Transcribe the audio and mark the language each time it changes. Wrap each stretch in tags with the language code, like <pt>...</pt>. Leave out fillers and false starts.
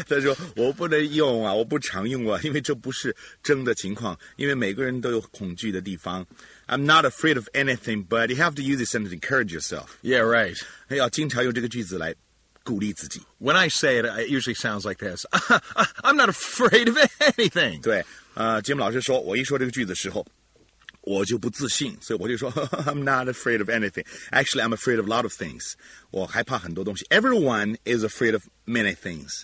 <zh>他说我不能用啊，我不常用啊，因为这不是真的情况，因为每个人都有恐惧的地方。</zh> <en>I'm not afraid of anything, but you have to use this sentence to encourage yourself. Yeah, right.</en> <zh>要经常用这个句子来鼓励自己。</zh> <en>When I say it, it usually sounds like this. I'm not afraid of anything.</en> <zh>对，Jim 老师说，我一说这个句子的时候，我就不自信，所以我就说</zh> <en>I'm not afraid of anything. Actually, I'm afraid of a lot of things.</en> <zh>我害怕很多东西。</zh> <en>Everyone is afraid of many things.</en>